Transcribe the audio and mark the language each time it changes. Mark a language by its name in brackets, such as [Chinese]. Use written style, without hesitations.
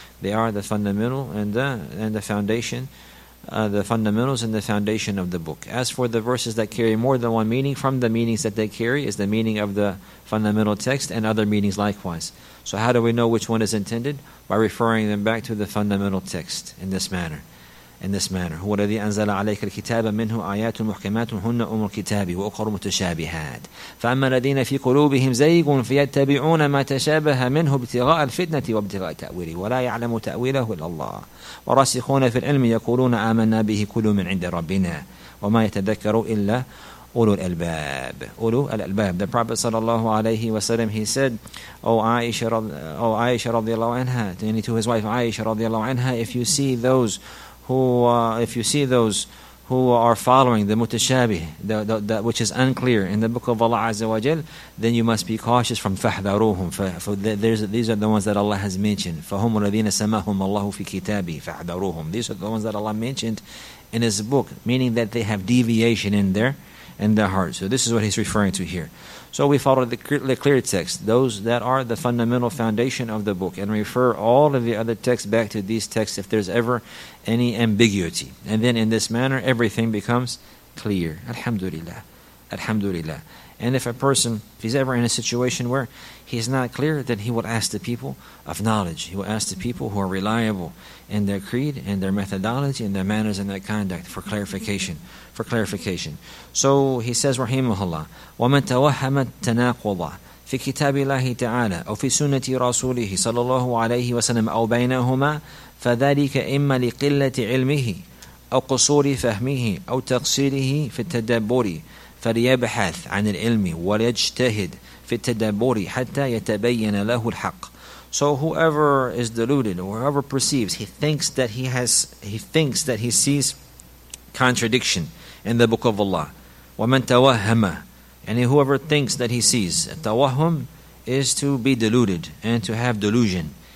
[English] They are the fundamental and the foundation of the book. As for the verses that carry more than one meaning, from the meanings that they carry is the meaning of the fundamental text and other meanings likewise. So how do we know which one is intended? By referring them back to the fundamental text in this manner. [Arabic] هو الذي أنزل عليك الكتاب منه آيات محكمات هن أم الكتاب وأخر متشابهات فأما الذين في قلوبهم زيغ فيتبعون ما تشابه منه ابتغاء الفتنة وابتغاء تأويله ولا يعلم تأويله إلا الله وراسخون في العلم يقولون آمنا به كل من عند ربنا وما يتذكر إلا أولو الألباب. أولو الألباب. [English] The Prophet [Arabic] صلى الله عليه وسلم, [English] he said, O Aisha [Arabic] رضي الله عنها, [English] to his wife Aisha رضي الله عنها, if you see those who are following the mutashabih, the which is unclear in the book of Allah Azza wa Jal, then you must be cautious from fahdaruhum. These are the ones that Allah has mentioned. [Arabic] فهم الذين سماهم الله في كتابه فحذروهم. [English] These are the ones that Allah mentioned in His book, meaning that they have deviation in their heart. So this is what He's referring to here. So we follow the clear text, those that are the fundamental foundation of the book, and refer all of the other texts back to these texts if there's ever any ambiguity. And then in this manner, everything becomes clear. Alhamdulillah. Alhamdulillah. And if a person, if he's ever in a situation where he is not clear, then he will ask the people of knowledge. He will ask the people who are reliable in their creed, in their methodology, in their manners, and their conduct for clarification. For clarification. So he says, [Arabic] Rahimahullah, وَمَنْ تَوَحَّمَ التَّنَاقُضَ فِي كِتَابِ اللَّهِ تَعَالَى أَوْ فِي سُنَّةِ رَسُولِهِ صَلَى اللَّهُ عَلَيْهِ وَسَلَّمَ أَوْ بَيْنَهُمَا فَذَلِكَ إِمَّا لِقِلَّةِ عِلْمِهِ أَوْ قُصُورِ فَهْمِهِ أَوْ تَقْصِيرِهِ فِي التَّدَبُّرِ فليبحث عن العلم وليجتهد في التدبر حتى يتبين له الحق. [English] So whoever is deluded, or whoever perceives, he thinks that he sees contradiction in the book of Allah. [Arabic] ومن توهم, [English] and whoever thinks that he sees, التوهم is to be deluded and to have delusion.